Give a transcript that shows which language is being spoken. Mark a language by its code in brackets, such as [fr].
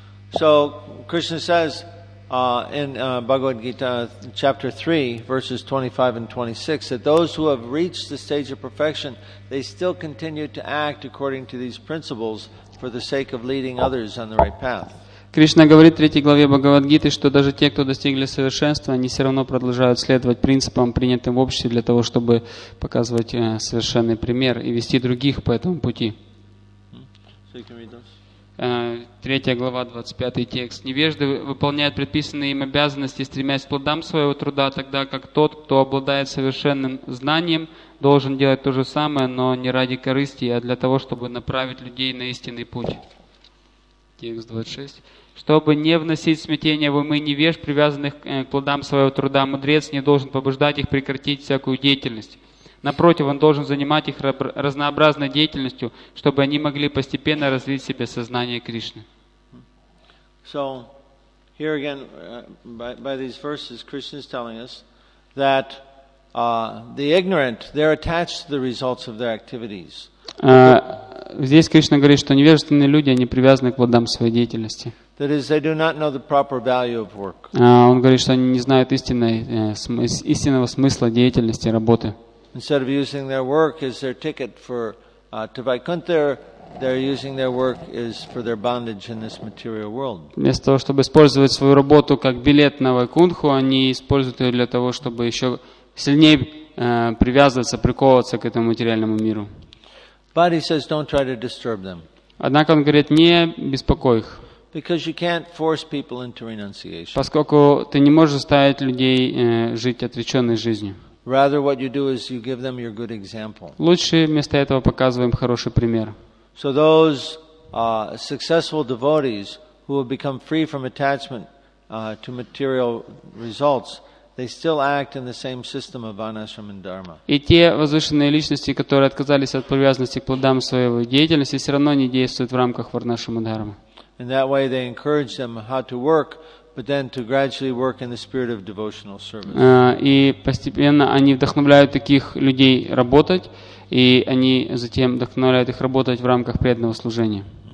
[en] So Krishna says in Bhagavad Gita chapter 3 verses 25 and 26 that those who have reached the stage of perfection they still continue to act according to these principles for the sake of leading others on the right path. [ru] Кришна говорит в 3 главе Бхагавад Гиты, что даже те, кто достигли совершенства, они всё равно продолжают следовать принципам, принятым в обществе для того, чтобы показывать совершенный пример и вести других по этому пути. [en] So you can read those. [ru] 3 глава, 25 текст. «Невежды выполняют предписанные им обязанности, стремясь к плодам своего труда, тогда как тот, кто обладает совершенным знанием, должен делать то же самое, но не ради корысти, а для того, чтобы направить людей на истинный путь». Текст 26. «Чтобы не вносить смятение в умы невежд, привязанных к плодам своего труда, мудрец не должен побуждать их прекратить всякую деятельность». Напротив, он должен занимать их разнообразной деятельностью, чтобы они могли постепенно развить в себе сознание Кришны. [en] So, here again, by these verses, Krishna is telling us that the ignorant, they're attached to the results of their activities. [ru] Здесь Кришна говорит, что невежественные люди, они привязаны к плодам своей деятельности. [en] That is, they do not know the proper value of work. [ru] Он говорит, что они не знают истинного смысла деятельности, работы. [en] Instead of using their work as their ticket for to Vaikunth, they're using their work as for their bondage in this material world. [ru] Вместо того, чтобы использовать свою работу как билет на Вайкунху, они используют ее для того, чтобы еще сильнее привязываться, приковываться к этому материальному миру. [en] But he says, don't try to disturb them. [ru] Однако он говорит, не беспокой их. [en] Because you can't force people into renunciation. [ru] Поскольку ты не можешь заставить людей жить отреченной жизнью. [en] Rather, what you do is you give them your good example. [ru] Лучше вместо этого показываем хороший пример. [en] So those successful devotees who have become free from attachment to material results, they still act in the same system of Varnashram and Dharma. [ru] И те возвышенные личности, которые отказались от привязанности к плодам своей деятельности, все равно не действуют в рамках Варнашрама и Дхармы. [en] In that way, they encourage them how to work. But then to gradually work in the spirit of devotional service. [ru] И постепенно они вдохновляют таких людей работать, и они затем вдохновляют их работать в рамках преданного служения.